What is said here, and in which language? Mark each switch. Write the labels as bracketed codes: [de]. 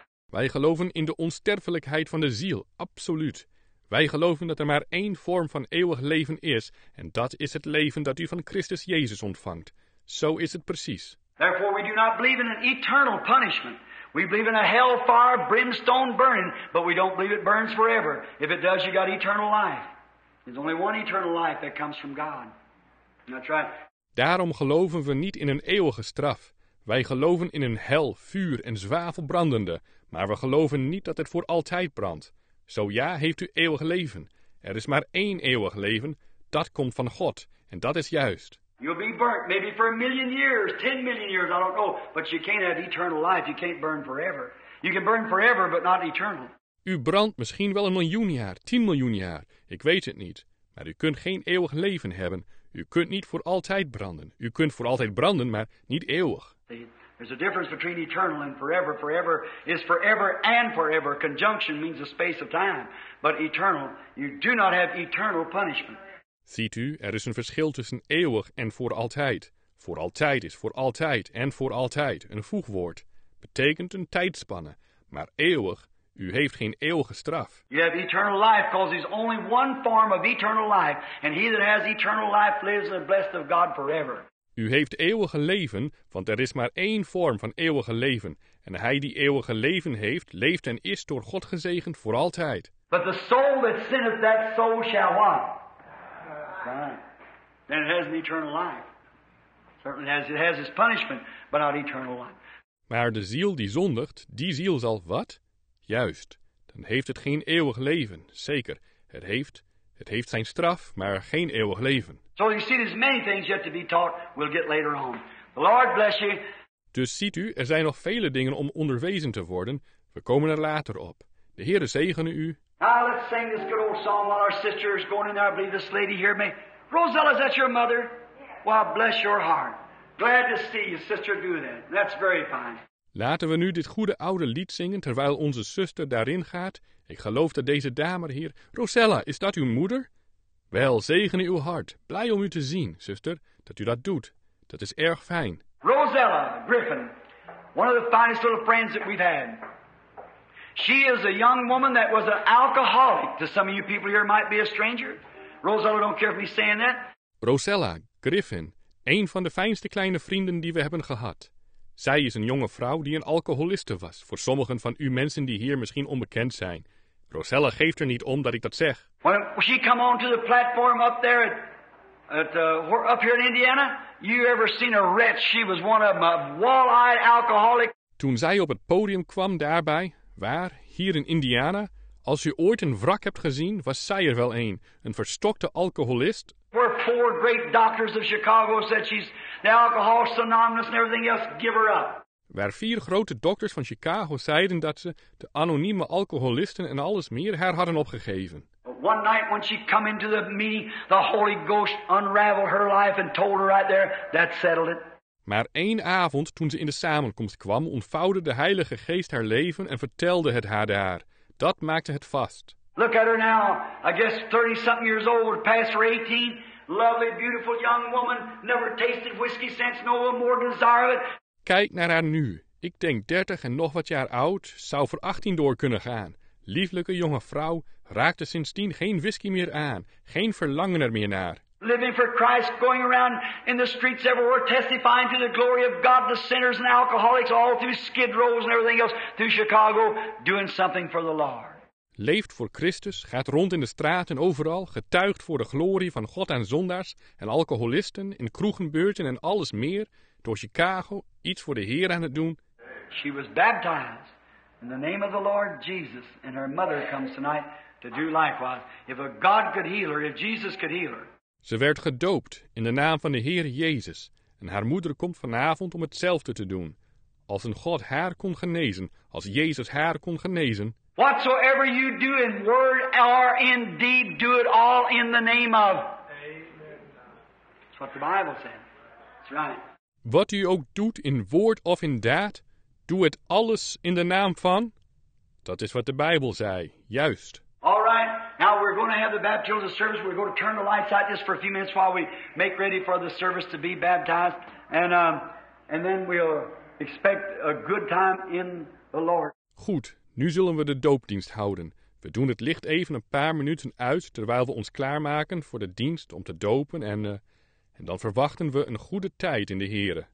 [nl] Wij geloven in de onsterfelijkheid van de ziel, absoluut. Wij geloven dat er maar één vorm van eeuwig leven is, en dat is het leven dat u van Christus Jezus ontvangt. Zo is het precies. [en] Therefore we do not believe in an eternal punishment. We believe in a hellfire brimstone burning, but we don't believe it burns forever. If it does, you got eternal life. There's only one eternal life that comes from God. That's right. [nl] Daarom geloven we niet in een eeuwige straf. Wij geloven in een hel, vuur en zwavel brandende, maar we geloven niet dat het voor altijd brandt. Zo ja, heeft u eeuwig leven. Er is maar één eeuwig leven, dat komt van God, en dat is juist. [en] You'll be burnt, maybe for a million years, 10 million years, I don't know, but you can't have eternal life, you can't burn forever. You can burn forever, but not eternal. [nl] U brandt misschien wel 1 miljoen jaar, 10 miljoen jaar, ik weet het niet, maar u kunt geen eeuwig leven hebben. U kunt niet voor altijd branden. U kunt voor altijd branden, maar niet eeuwig. [en] There's a difference between eternal and forever. Forever is forever and forever. Conjunction means a space of time. But eternal, you do not have eternal punishment. [nl] Ziet u, er is een verschil tussen eeuwig en voor altijd. Voor altijd is voor altijd en voor altijd, een voegwoord. Betekent een tijdspanne. Maar eeuwig, u heeft geen eeuwige straf. [en] You have eternal life because there's only one form of eternal life. And he that has eternal life lives in the blessed of God forever. [nl] U heeft eeuwige leven, want er is maar één vorm van eeuwige leven. En hij die eeuwige leven heeft, leeft en is door God gezegend voor altijd. [en] But the soul that sinneth, that soul shall what? Die. Then it has an eternal life. Certainly it has its punishment, but not eternal life. [nl] Maar de ziel die zondigt, die ziel zal wat? Juist, dan heeft het geen eeuwig leven, zeker. Het heeft zijn straf, maar geen eeuwig leven. [en] So you see, there's many things yet to be taught. We'll get later on. The Lord bless you. [nl] Dus ziet u, er zijn nog vele dingen om onderwezen te worden. We komen er later op. De Heere zegene u. [en] Now let's sing this good old song while our sister is going in there. I believe this lady hear me. Rosella, is that your mother? Yes. Well, bless your heart. Glad to see you, sister, do that. That's very fine. [nl] Laten we nu dit goede oude lied zingen terwijl onze zuster daarin gaat. Ik geloof dat deze dame hier. Rosella, is dat uw moeder? Wel, zegen uw hart. Blij om u te zien, zuster, dat u dat doet. Dat is erg fijn. [en] Rosella Griffin, one of the finest little friends that we've had. She is a young woman that was an alcoholic. To some of you people here might be a stranger. Rosella, don't care if me saying that. [nl] Rosella Griffin, een van de fijnste kleine vrienden die we hebben gehad. Zij is een jonge vrouw die een alcoholiste was, voor sommigen van u mensen die hier misschien onbekend zijn. Rosella geeft er niet om dat ik dat zeg. [en] When she come on to the platform up there up here in Indiana, you ever seen a wretch? She was one of them, a wall-eyed alcoholic. [nl] Toen zij op het podium kwam daarbij, waar, hier in Indiana, als u ooit een wrak hebt gezien, was zij er wel een verstokte alcoholist. [en] Where four great doctors of Chicago said she's the alcohol synonymous and everything else, give her up. [nl] Waar vier grote dokters van Chicago zeiden dat ze de anonieme alcoholisten en alles meer haar hadden opgegeven. [en] One night when she come into the meeting, the Holy Ghost unraveled her life and told her right there, that settled it. [nl] Maar één avond toen ze in de samenkomst kwam, ontvouwde de Heilige Geest haar leven en vertelde het haar daar. Dat maakte het vast. [en] Look at her now, I guess 30-something years old, past her 18. Lovely, beautiful young woman, never tasted whiskey since, no one more desire of it. [nl] Kijk naar haar nu. Ik denk 30 en nog wat jaar oud, zou voor 18 door kunnen gaan. Lieflijke jonge vrouw, raakte sindsdien geen whisky meer aan, geen verlangen er meer naar. [en] Living for Christ, going around in the streets everywhere, testifying to the glory of God, the sinners and alcoholics, all through Skid Rows and everything else, through Chicago, doing something for the Lord. [nl] Leeft voor Christus, gaat rond in de straten overal, getuigt voor de glorie van God aan zondaars en alcoholisten, in kroegenbeurten en alles meer, door Chicago, iets voor de Heer aan het doen. [en] She was baptized in the name of the Lord Jesus, and her mother comes tonight to do likewise. If a God could heal her, if Jesus could heal her. [nl] Ze werd gedoopt in de naam van de Heer Jezus, en haar moeder komt vanavond om hetzelfde te doen. Als een God haar kon genezen, als Jezus haar kon genezen. [en] Whatsoever you do in word or in deed, do it all in the name of. That's what the Bible says. That's right. [nl] Wat u ook doet in woord of in daad, doe het alles in de naam van. Dat is wat de Bijbel zei, juist. [en] All right, now we're going to have the baptismal service. We're going to turn the lights out just for a few minutes while we make ready for the service to be baptized. And then we'll expect a good time in the Lord. [nl] Goed, nu zullen we de doopdienst houden. We doen het licht even een paar minuten uit terwijl we ons klaarmaken voor de dienst om te dopen en... En dan verwachten we een goede tijd in de Heere.